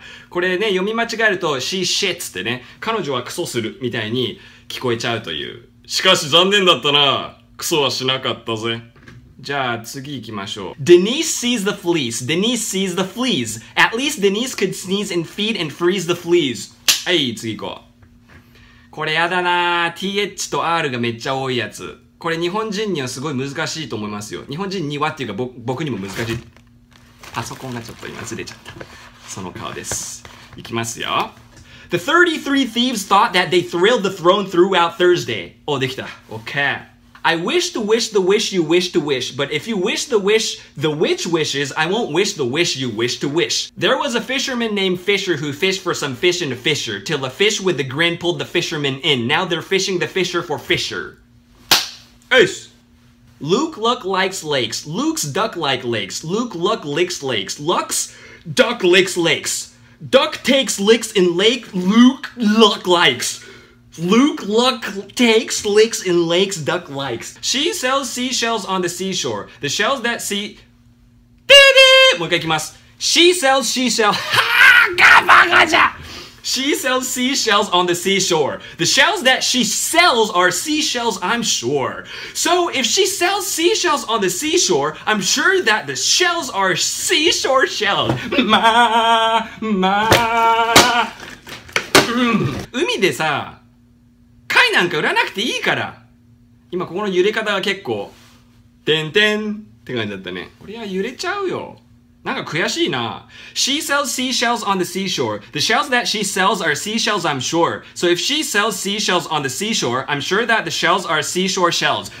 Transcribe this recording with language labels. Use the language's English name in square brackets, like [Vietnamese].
[Japanese] これね、読み間違えると [English] she shits [Japanese] ってね、彼女はクソするみたいに聞こえちゃうという。しかし残念だったな。クソはしなかったぜ。じゃあ次行きましょう。 [English] Denise sees the fleas. Denise sees the fleas. At least Denise could sneeze and feed and freeze the fleas. [Japanese] はい、次行こう。これやだなぁ。TH と R がめっちゃ多いやつ。これ日本人にはすごい難しいと思いますよ。日本人にはっていうか僕にも難しい。パソコンがちょっと今ずれちゃった。その顔です。いきますよ。 [English] The 33 thieves thought that they thrilled the throne throughout Thursday. [Japanese] お、できた。OK。 [English] I wish to wish the wish you wish to wish, but if you wish the wish the witch wishes, I won't wish the wish you wish to wish. There was a fisherman named Fisher who fished for some fish in a fisher, till a fish with a grin pulled the fisherman in. Now they're fishing the fisher for fisher. Ace! Luke Luck likes lakes. Luke's duck like lakes. Luke Luck licks lakes. Luck's duck licks lakes. Duck takes licks in lake Luke Luck likes. Luke Luck takes licks in lakes duck likes. She sells seashells on the seashore. The shells that see... [Japanese] ででー、もう一回いきます。 [English] She sells seashells... [Japanese] はぁー、バカじゃ。 [English] She sells seashells on the seashore. The shells that she sells are seashells, I'm sure. So if she sells seashells on the seashore, I'm sure that the shells are seashore shells. [Japanese] まーまー、うん、海でさ、貝なんか売らなくていいから。今ここの揺れ方が結構てんてんって感じだったね。こりゃ揺れちゃうよ。なんか悔しいな。 [English] She sells seashells on the seashore. The shells that she sells are seashells, I'm sure. So if she sells seashells on the seashore, I'm sure that the shells are seashore shells.